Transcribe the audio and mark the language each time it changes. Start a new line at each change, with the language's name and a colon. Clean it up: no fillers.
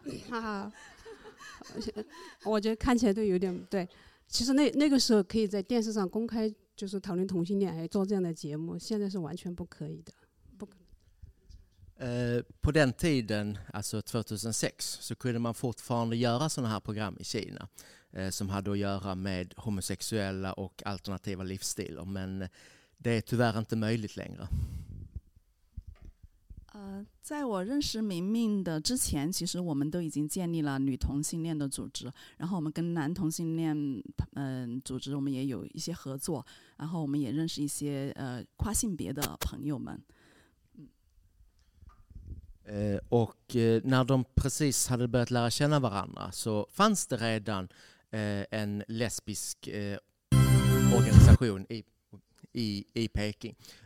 Chinese: 哈哈，我觉得看起来都有点对。其实那个时候可以在电视上公开就是讨论同性恋，还做这样的节目，现在是完全不可以的。
Swedish: På den tiden, alltså 2006, så kunde man fortfarande göra sådana här program i Kina som hade att göra med homosexuella och alternativa livsstilar. Men det är tyvärr inte möjligt längre.
Chinese: 在我认识明明的之前，其实我们都已经建立了女同性恋的组织，然后我们跟男同性恋组织我们也有一些合作，然后我们也认识一些跨性别的朋友们。
Swedish: Och när de precis hade börjat lära känna varandra så fanns det redan en lesbisk organisation i Peking.